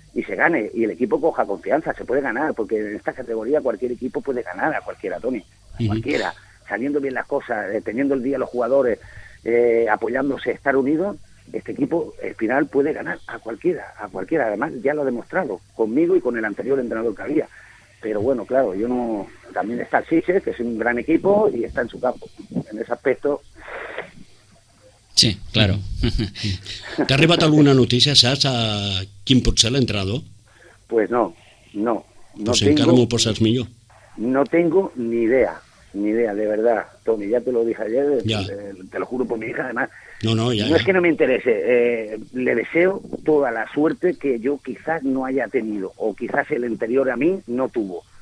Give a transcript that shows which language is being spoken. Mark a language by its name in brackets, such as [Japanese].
[Spanish] Y se gane, y el equipo coja confianza, se puede ganar, porque en esta categoría cualquier equipo puede ganar a cualquiera, Toni, cualquiera, saliendo bien las cosas, teniendo el día los jugadores, apoyándose, estar unidos, este equipo, Espinal, puede ganar a cualquiera, además ya lo ha demostrado, conmigo y con el anterior entrenador que había. Pero bueno, claro, yo no, también está el Sitges, que es un gran equipo, y está en su campo, en ese aspecto. Sí, claro. [Catalan] ¿T'ha arribat alguna notícia, saps, a quin pot ser l'entrenador? [Spanish] Pues no. Pues tengo, [Catalan] encara m'ho posas millor. [Spanish] No tengo ni idea, de verdad, Toni, ya te lo dije ayer, te lo juro por mi hija, además. No, es que no me interese, le deseo toda la suerte que yo quizás no haya tenido, o quizás el anterior a mí no tuvo.